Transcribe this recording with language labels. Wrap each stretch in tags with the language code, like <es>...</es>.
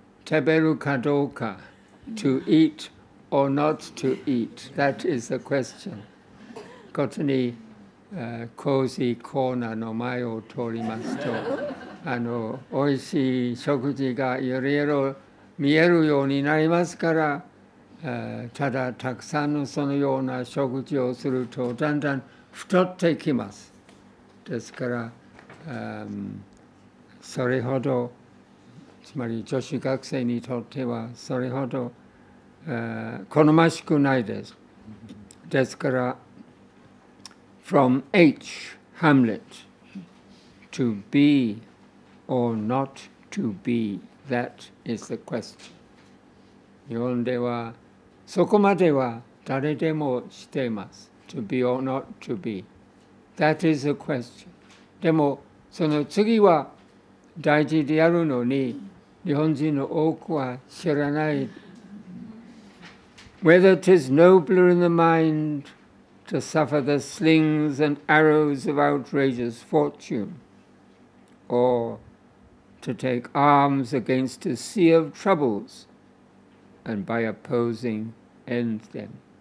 <ja>食べるかどうか、</ja> <en>to eat or not to eat, that is the question.</en> <ja>ことに、コーヒーコーナーの前を通りますと、あの、おいしい食事がいろいろ見えるようになりますから、ただたくさんのそのような食事をすると、だんだん太っていきます。ですから、それほど、つまり女子学生にとってはそれほど、好ましくないです。ですから、</ja> <en>from H, Hamlet, to be or not to be, that is the question.</en> <ja>日本ではそこまでは誰でもしています。</ja> <en>to be or not to be, that is the question.</en> <ja>でもその次は大事であるのに、日本人の多くは知らない。</ja> <en>Whether 'tis nobler in the mind to suffer the slings and arrows of outrageous fortune, or to take arms against a sea of troubles, and by opposing end them.</en>